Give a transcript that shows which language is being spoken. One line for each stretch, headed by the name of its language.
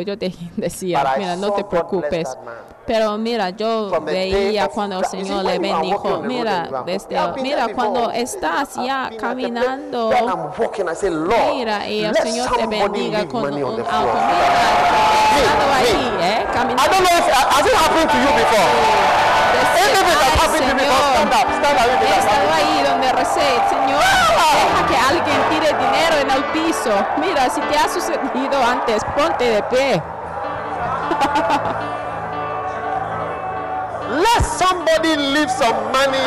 Spanish: Yo te decía,
English: but
Spanish: mira, no te preocupes. Pero mira, yo veía cuando el Señor le bendijo. Mira, desde mira cuando estás ya caminando, mira, y el Señor te bendiga con un auto. Mira, estando ahí, caminando.
English: I don't know if has it happened to you before. Stand up, stand up.
Spanish: Estando ahí donde recé, Señor, deja que alguien tire dinero en el piso. Mira, si te ha sucedido antes, ponte de pie.
English: Let somebody leave some money.